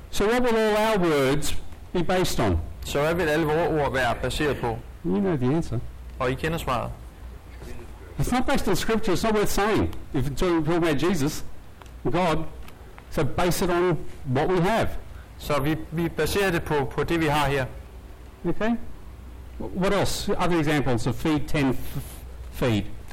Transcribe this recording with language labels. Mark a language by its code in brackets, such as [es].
[en] So what will all our words be based on? [da] Så hvad vil alle vores ord være baseret på? [en] You know the answer. [da] Og I kender svaret. [en] It's not based on scripture. It's not worth saying. If you're talking about Jesus, God, so base it on what we have. [da] Så vi baserer det på det vi har her. [en] Okay. What else? Other examples of feed, tend, feed.